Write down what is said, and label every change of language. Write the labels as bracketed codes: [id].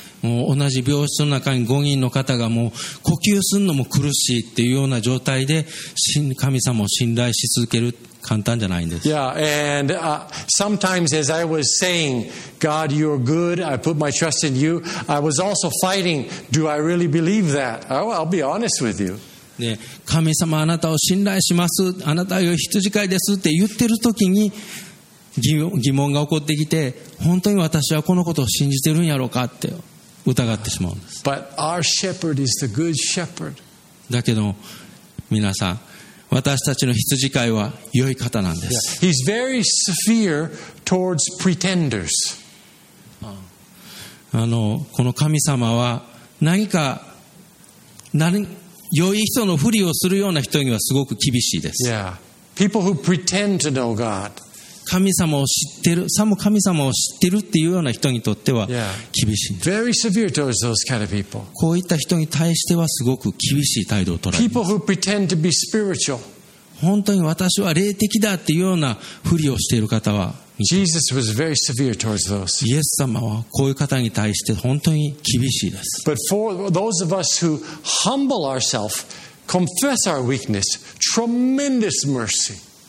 [ja] もう同じ病室の中に5人の方がもう呼吸するのも苦しいっていうような状態で神様を信頼し続ける簡単じゃないんです。 [en] Yeah, and sometimes as I was saying, God, you're good, I put my trust in you, I was also fighting, do I really believe that? I'll be honest with you. [ja] で神様あなたを信頼します、あなたは羊飼いですって言ってる時に疑問が起こってきて、本当に私はこのことを信じてるんやろうかって疑ってしまうんです。 [en] But our shepherd is the good shepherd. [ja] だけど皆さん、私たちの羊飼いは良い方なんです。 [en] Yeah. He's very severe towards pretenders. [ja] この神様は何か良い人のふりをするような人にはすごく厳しいです。 [en] Yeah. People who pretend to know God. [ja] 神様を知ってる、さも神様を知ってるっていうような人にとっては厳しいんです。 [en] Very severe towards those kind of people. [ja] こういった人に対してはすごく厳しい態度を取られます。 [en] People who pretend to be spiritual. [ja] 本当に私は霊的だっていうようなふりをしている方は、 [en] Jesus was very severe towards those. [ja] イエス様はこういう方に対して本当に厳しいです。 [en] But for those of us who humble ourselves, confess our weakness, tremendous mercy.